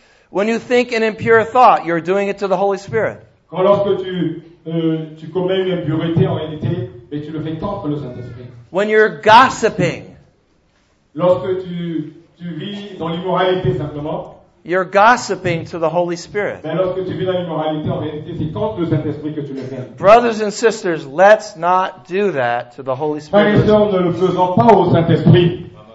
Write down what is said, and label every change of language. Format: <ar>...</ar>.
<en>When you think an impure thought, you're doing it to the Holy Spirit.</en> <fr>Quand lorsque tu commets une impureté en réalité, mais tu le fais contre le Saint-Esprit.</fr> <en>When you're gossiping.</en> <fr>Lorsque tu vis dans l'immoralité simplement.</fr> <en>You're gossiping to the Holy Spirit.</en> <fr>Mais lorsque tu vis dans l'immoralité en réalité, c'est contre le Saint-Esprit que tu le fais.</fr> <en>Brothers and sisters, let's not do that to the Holy Spirit.</en> <fr>Frères et sœurs, ne le faisons pas au Saint-Esprit.</fr>